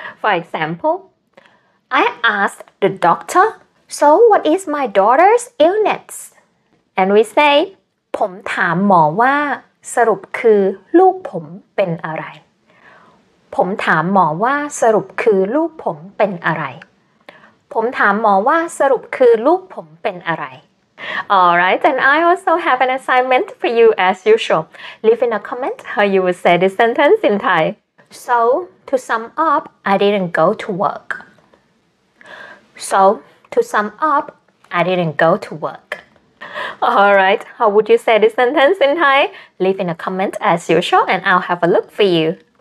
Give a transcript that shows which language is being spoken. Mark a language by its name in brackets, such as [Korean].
[English] For example, I asked the doctor, "So what is my daughter's illness?" And we say, [Thai] ผมถามหมอว่าสรุปคือลูกผมเป็นอะไรผมถามหมอว่าสรุปคือลูกผมเป็นอะไรผมถามหมอว่าสรุปคือลูกผมเป็นอะไร [English] Alright, and I also have an assignment for you as usual. Leave in a comment how you would say this sentence in Thai. So, to sum up, I didn't go to work. So, to sum up, I didn't go to work. Alright, how would you say this sentence in Thai? Leave in a comment as usual and I'll have a look for you.